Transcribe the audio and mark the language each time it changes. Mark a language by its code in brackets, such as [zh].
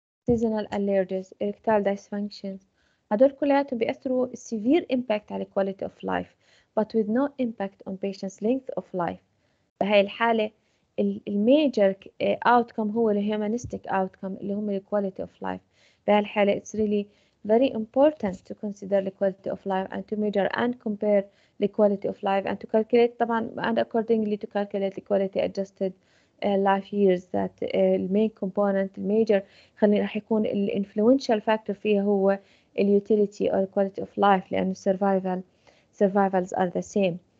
[en] seasonal allergies erectile dysfunction [ar] هذول كلياتهم بيأثروا [en] severe impact على quality of life but with no impact on patient's length of life. [ar] بهاي الحالة الميجر outcome هو الهيومانستيك outcome اللي هم [en] the quality of life. بهالحالة it's really very important to consider the quality of life and to measure and compare the quality of life and to calculate طبعا and accordingly to calculate the quality adjusted life years that the main component the major [ar] خلينا راح يكون ال [en] influential factor فيها هو the utility or quality of life لأن survivals are the same.